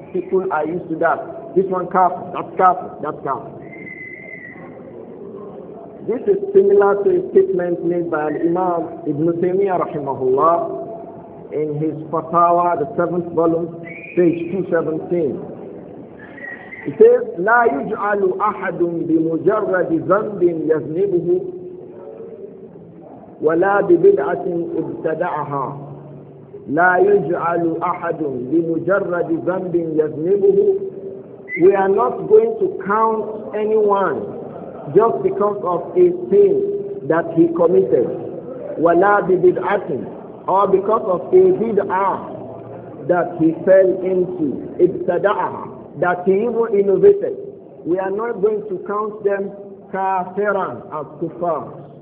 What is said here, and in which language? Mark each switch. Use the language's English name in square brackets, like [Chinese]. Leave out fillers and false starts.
[English] People are used to that. This one kafir, that kafir, that kafir. This is similar to a statement made by Imam Ibn Taymiyyah rahimahullah in his Fatawa, the 7th volume, page 217. He says, [Arabic] لا يجعل أحد بمجرد ذنب يذنبه ولا ببدعة ابتدعها. لا يجعل أحد بمجرد ذنب يذنبه. [English] We are not going to count anyone just because of a sin that he committed. [Arabic] ولا ببدعة, [English] or because of a bid'ah that he fell into. [Arabic] ابتدعها, [English] that he even innovated. We are not going to count them kafiran as kuffar.